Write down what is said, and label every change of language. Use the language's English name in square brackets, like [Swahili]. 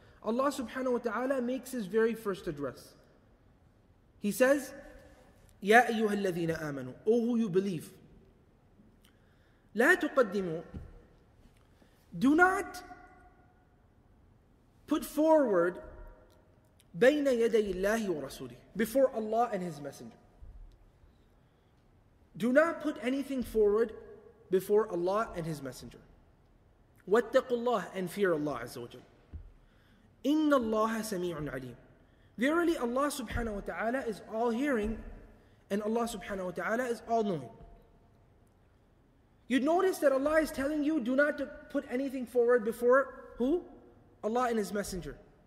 [English] Allah subhanahu wa ta'ala makes his very first address. He says, [Arabic] يَا أَيُّهَا الَّذِينَ آمَنُوا, [English] O who you believe, [Arabic] لَا تُقَدِّمُوا, [English] do not put forward [Arabic] بَيْنَ يَدَيِ اللَّهِ وَرَسُولِهِ [English] Before Allah and His Messenger. Do not put anything forward before Allah and His Messenger. [Arabic] وَاتَّقُوا اللَّهِ [English] And fear Allah عز وجل. [Arabic] إِنَّ اللَّهَ سَمِيعٌ عَلِيمٌ [English] Verily Allah subhanahu wa ta'ala is all hearing and Allah subhanahu wa ta'ala is all knowing. You'd notice that Allah is telling you do not to put anything forward before who? Allah and His Messenger.